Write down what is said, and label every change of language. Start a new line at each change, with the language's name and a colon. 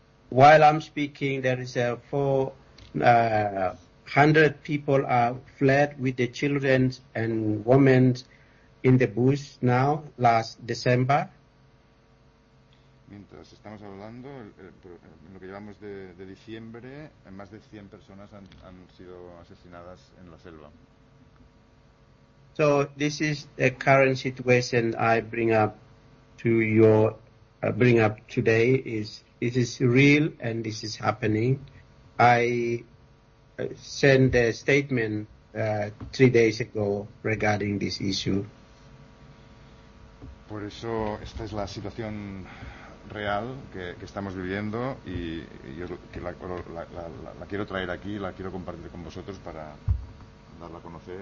English: While I'm speaking, there is 400 people are fled with the children and women in the bush now, last December.
Spanish: Mientras estamos hablando, en lo que llevamos de diciembre, más de 100 personas han sido asesinadas en la selva.
English: So this is the current situation I bring up to your bring up today. Is this is real and this is happening. I sent a statement 3 days ago regarding this issue.
Spanish: Por eso esta es la situación real que estamos viviendo y yo que la quiero traer aquí, la quiero compartir con vosotros para darla a conocer.